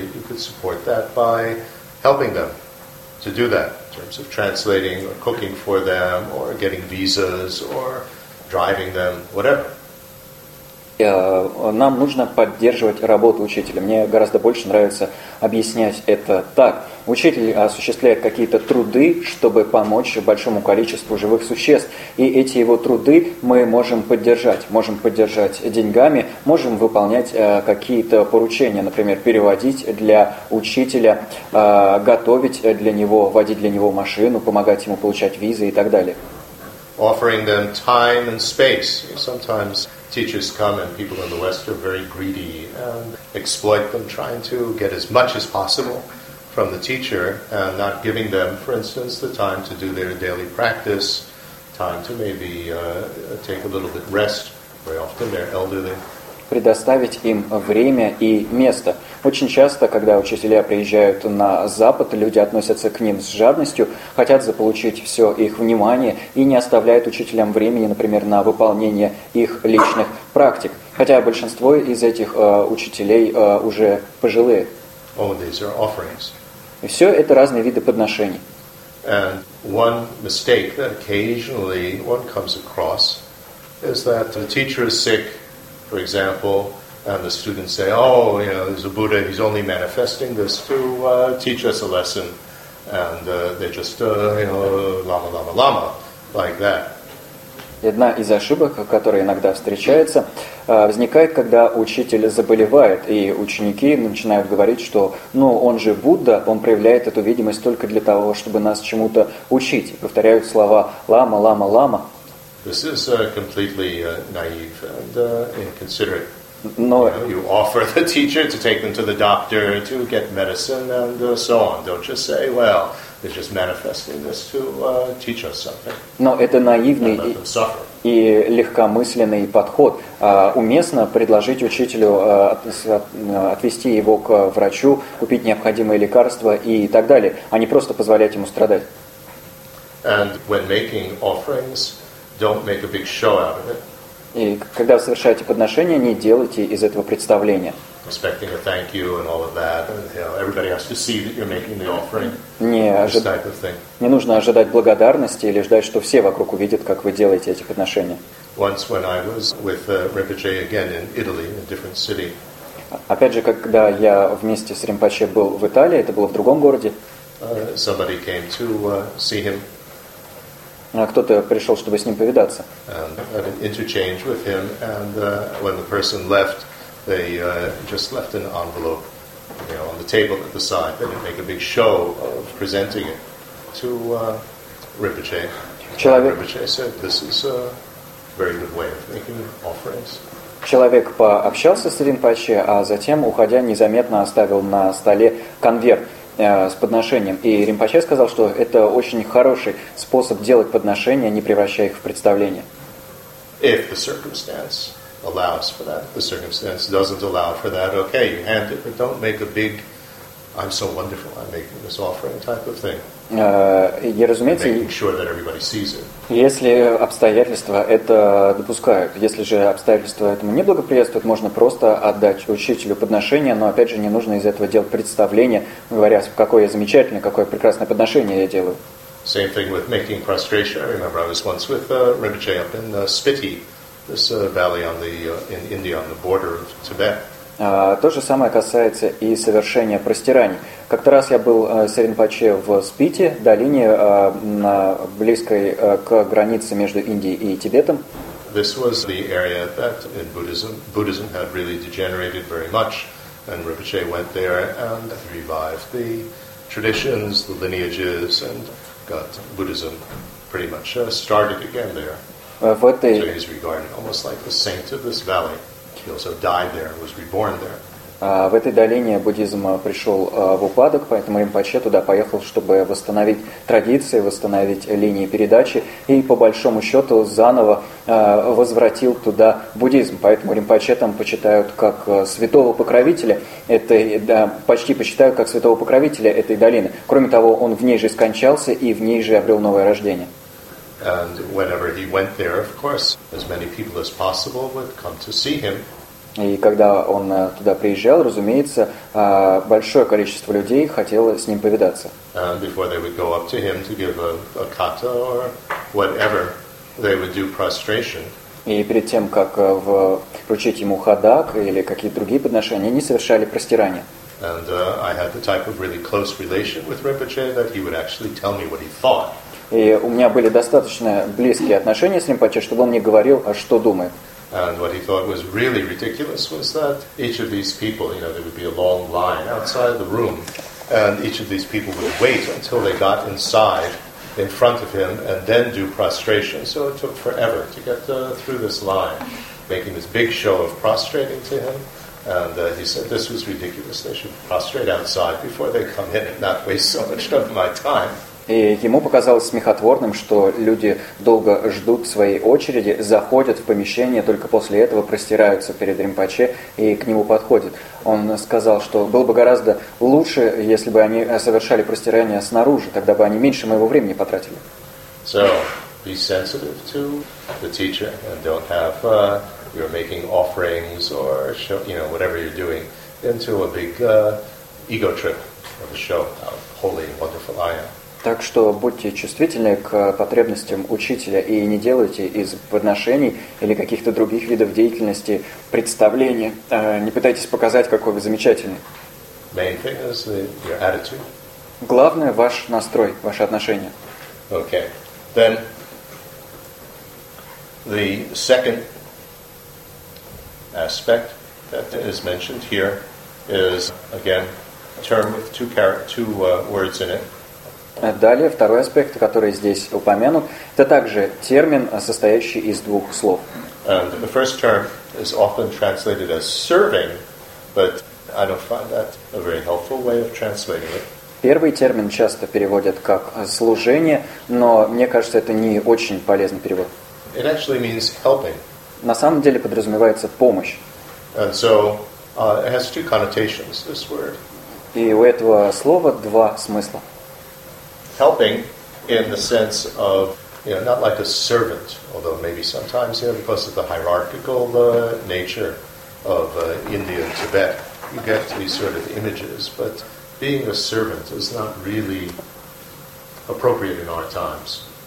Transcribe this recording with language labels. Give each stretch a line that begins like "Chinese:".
English: You could support that by helping them to do that in terms of translating or cooking for them or getting visas or driving them, whatever.
Russian: нам нужно поддерживать работу учителя. Мне гораздо больше нравится объяснять это так. Учитель осуществляет какие-то труды, чтобы помочь большому количеству живых существ. И эти его труды мы можем поддержать. Можем поддержать деньгами, можем выполнять какие-то поручения. Например, переводить для учителя, готовить для него, водить для него машину, помогать ему получать визы и так далее.
English: Offering them time and space. Sometimes teachers come and people in the West are very greedy and exploit them, trying to get as much as possible from the teacher and not giving them, for instance, the time to do their daily practice, time to maybe take a little bit rest. Very often they're elderly.
Russian: Предоставить им время и место. Очень часто, когда учителя приезжают на Запад, люди относятся к ним с жадностью, хотят заполучить все их внимание и не оставляют учителям времени, например, на выполнение их личных практик. Хотя большинство из этих учителей уже пожилые.
English: All of these are offerings.
Russian: И все это разные виды подношений.
English: And one mistake that occasionally one comes across is that the teacher is sick. For example, and the students say, "Oh, you know, there's a Buddha. He's only manifesting this to teach us a lesson," and they're just, lama, lama, lama, like that.
Russian: Одна из ошибок, которая иногда встречается, возникает, когда учитель заболевает, и ученики начинают говорить, что «ну, он же Будда, он проявляет эту видимость только для того, чтобы нас чему-то учить». И повторяют слова «лама, лама, лама».
English: This is completely naive and inconsiderate. No. You know, you offer the teacher to take them to the doctor to get medicine and so on. Don't just say, well, they're just manifesting this to teach us something.
Russian: Но это наивный и легкомысленный подход. Уместно предложить учителю отвести его к врачу, купить необходимые лекарства и так далее, а не просто позволять ему страдать.
English: And when making offerings, don't make a big show out of it.
Russian: И когда вы совершаете подношение, не делайте из этого представления.
English: Expecting a thank you and all of that, and, you know, everybody has to see that you're making the offering.
Russian: Не нужно ожидать благодарности или ждать, что все вокруг увидят, как вы делаете эти подношения.
English: Once when I was with Rinpoche again in Italy, in a different city.
Russian: Опять же, когда я вместе с Ринпоче был в Италии, это было в другом городе.
English: Somebody came to see him.
Russian: Кто-то пришел, чтобы с ним повидаться.
English: Had an interchange with him, and when the person left, they just left an envelope, you know, on the table at the side. They didn't make a big show of presenting it to Rinpoche. Rinpoche said, "This is a very good way of making offerings."
Russian: Человек пообщался с Ринпоче, а затем, уходя, незаметно оставил на столе конверт с подношением. И Ринпоче сказал, что это очень хороший способ делать подношения, не превращая их в представление.
English: If the circumstance allows for that, the circumstance doesn't allow for that, okay, you hand it, but don't make a big I'm so wonderful, I'm making this offering type of thing.
Russian: И, разумеется,
English: making sure that everybody sees it.
Russian: Если обстоятельства это допускают, если же обстоятельства этому не благоприятствуют, можно просто отдать учителю подношение, но опять же не нужно из этого делать представление, говоря, какое я замечательное, какое прекрасное подношение я делаю.
English: Same thing with making prostration. I remember I was once with Rinpoche up in Spiti, this valley on the in India on the border of Tibet.
Russian: То же самое касается и совершения простираний. Как-то раз я был с Ринпоче в Спити, долине, близкой к границе между Индией и Тибетом.
English: This was the area that in Buddhism had really degenerated very much, and Rinpoche went there and revived the traditions, the lineages, and got Buddhism pretty much started again there. So he's regarded almost like the saint of this valley. He also died there and was reborn there.
Russian: В этой долине буддизм пришел в упадок, поэтому Ринпоче туда поехал, чтобы восстановить традиции, восстановить линии передачи, и по большому счету заново возвратил туда буддизм. Поэтому Ринпоче там почитают как святого покровителя этой, да, почти почитают как святого покровителя этой долины. Кроме того, он в ней же скончался и в ней же обрел новое рождение.
English: And whenever he went there, of course, as many people as possible would come to see him.
Russian: И когда он туда приезжал, разумеется, большое количество людей хотело с ним повидаться.
English: And before they would go up to him to give a kata or whatever, they would do prostration.
Russian: И перед тем, как вручить ему хадак или какие-то другие подношения, они совершали простирание.
English: And I had the type of really close relation with Rinpoche that he would actually tell me what he thought.
Russian: И у меня были достаточно близкие отношения с Ринпоче, чтобы он мне говорил, а что думает.
English: And what he thought was really ridiculous was that each of these people, you know, there would be a long line outside the room, and each of these people would wait until they got inside in front of him and then do prostration. So it took forever to get through this line, making this big show of prostrating to him. And he said, this was ridiculous. They should prostrate outside before they come in and not waste so much of my time.
Russian: И ему показалось смехотворным, что люди долго ждут своей очереди, заходят в помещение, только после этого простираются перед Ринпоче и к нему подходят. Он сказал, что было бы гораздо лучше, если бы они совершали простирание снаружи, тогда бы они меньше моего времени потратили.
English: So, be sensitive to the teacher and don't have you're making offerings or show, you know, whatever you're doing into a big ego trip of a show, how holy and wonderful I am.
Russian: Так что будьте чувствительны к потребностям учителя и не делайте из подношений или каких-то других видов деятельности представления. Не пытайтесь показать, какой вы замечательный.
English: Main thing is your attitude.
Russian: Главное – ваш настрой, ваши отношения.
English: Okay. Then the second aspect that is mentioned here is, again, a term with two words in it.
Russian: Далее, второй аспект, который здесь упомянут, это также термин, состоящий из двух слов.
English: And the first term is often translated as serving, but I don't find that a very helpful way of translating it.
Russian: Первый термин часто переводят как служение, но мне кажется, это не очень полезный перевод.
English: It actually means helping.
Russian: На самом деле подразумевается помощь.
English: And so it has two connotations, this word.
Russian: И у этого слова два смысла.
English: Helping in the sense of, you know, not like a servant, although maybe sometimes, you know, because of the hierarchical nature of India and Tibet, you get these sort of images, but being a servant is not really appropriate in our times.